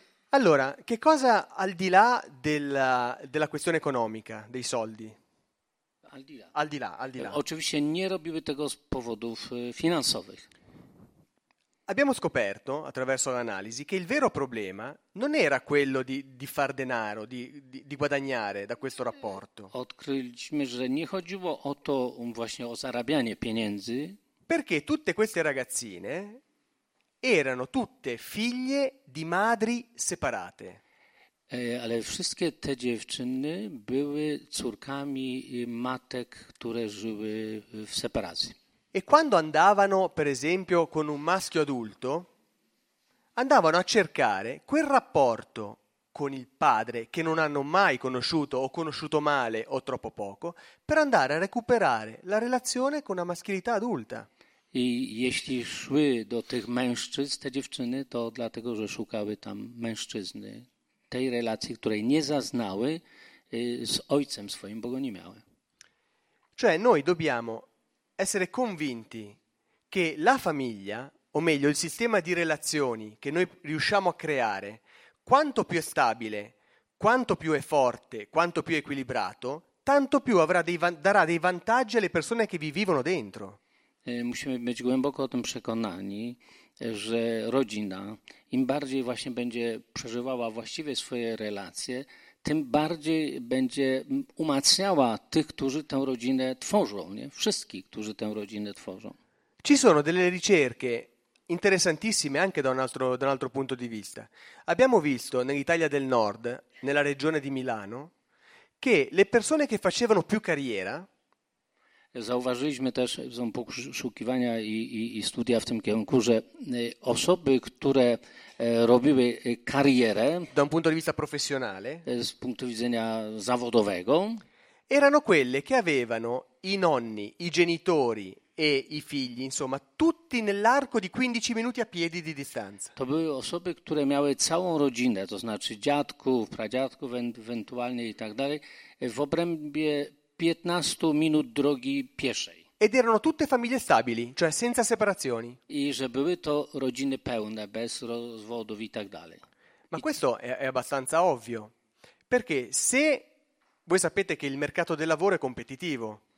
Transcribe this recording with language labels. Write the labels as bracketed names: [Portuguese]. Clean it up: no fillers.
[Italian] Allora, che cosa al di là della questione economica, dei soldi? Al di là. [Polish] Oczywiście nie robiły tego z powodów finansowych. [Italian] Abbiamo scoperto, attraverso l'analisi, che il vero problema non era quello di far denaro, di guadagnare da questo rapporto. [Polish] Odkryliśmy, że nie chodziło o to właśnie o zarabianie pieniędzy. [Italian] Perché tutte queste ragazzine erano tutte figlie di madri separate. [Polish] Ale wszystkie te dziewczyny były córkami matek, które żyły w separacji. [Italian] E quando andavano, per esempio, con un maschio adulto, andavano a cercare quel rapporto con il padre che non hanno mai conosciuto o conosciuto male o troppo poco, per andare a recuperare la relazione con la maschilità adulta. [Polish] I jeśli szły do tych mężczyzn, te dziewczyny, to dlatego, że szukały tam mężczyzny, tej relacji, której nie zaznały z ojcem swoim, bo go nie miały. [Italian] Cioè, noi dobbiamo essere convinti che la famiglia, o meglio il sistema di relazioni che noi riusciamo a creare, quanto più è stabile, quanto più è forte, quanto più è equilibrato, tanto più darà dei vantaggi alle persone che vi vivono dentro. [Polish] Musimy być głęboko o tym przekonani, że rodzina, im bardziej właśnie będzie przeżywała właściwie swoje relacje, tym bardziej będzie umacniała tych, którzy tę rodzinę tworzą, nie? Wszystkich, którzy tę rodzinę tworzą. [Italian] Ci sono delle ricerche interessantissime anche da un altro punto di vista. Abbiamo visto nell'Italia del Nord, nella regione di Milano, che le persone che facevano più carriera. [Polish] Zauważyliśmy też, są poszukiwania i studia w tym kierunku, że osoby, które robiły karierę [Italian] da un punto di vista professionale, [Polish] z punktu widzenia zawodowego, [Italian] erano quelle che avevano i nonni, i genitori e i figli, insomma, tutti nell'arco di 15 minuti a piedi di distanza. [Polish] To były osoby, które miały całą rodzinę, to znaczy dziadków, pradziadków ewentualnie i tak dalej, w obrębie 15 minut drogi pieszej. [Italian] Ed erano tutte famiglie stabili, cioè senza separazioni. [Polish] I że były to rodziny pełne, bez rozwodów i tak dalej. [Italian] Ma questo è abbastanza ovvio, perché se voi sapete che il mercato del lavoro è competitivo.